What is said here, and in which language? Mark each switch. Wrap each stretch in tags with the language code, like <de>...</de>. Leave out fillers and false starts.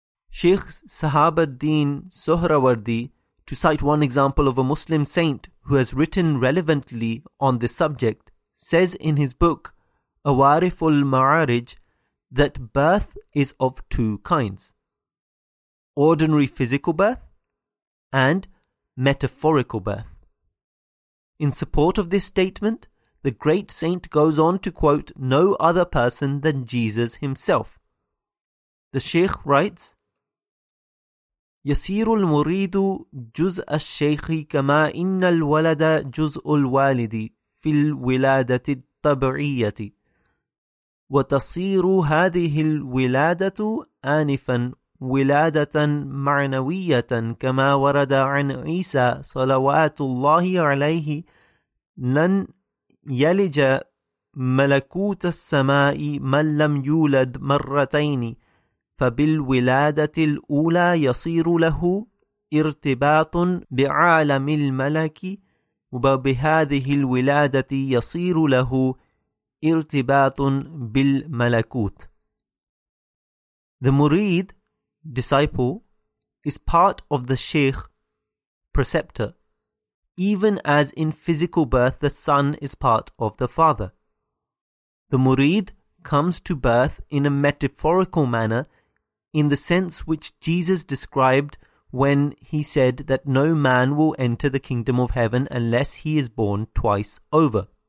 <en>Sheikh Sahabuddin Sohrawardi, to cite one example of a Muslim saint who has written relevantly on this subject, says in his book, Awariful Ma'arij, that birth is of two kinds. Ordinary physical birth and metaphorical birth. In support of this statement, the great saint goes on to quote no other person than Jesus himself. The Sheikh writes,</en> <ar>يَسِيرُ الْمُرِيدُ جُزْءَ الشَّيْخِ كَمَا إِنَّ الْوَلَدَ جُزْءُ الْوَالِدِ فِي الْوِلَادَةِ الطَّبْعِيَّةِ وَتَصِيرُ هَذِهِ الْوِلَادَةُ آنِفًا ولادة معنوية كما ورد عن عيسى صلوات الله عليه لن يلج ملكوت السماء من لم يولد مرتين فبالولادة الأولى يصير له ارتباط بعالم الملك وبهذه الولادة يصير له ارتباط بالملكوت.</ar> <en>The murid, disciple, is part of the sheikh, preceptor, even as in physical birth the son is part of the father. The murid comes to birth in a metaphorical manner, in the sense which Jesus described when he said that no man will enter the kingdom of heaven unless he is born twice over.</en>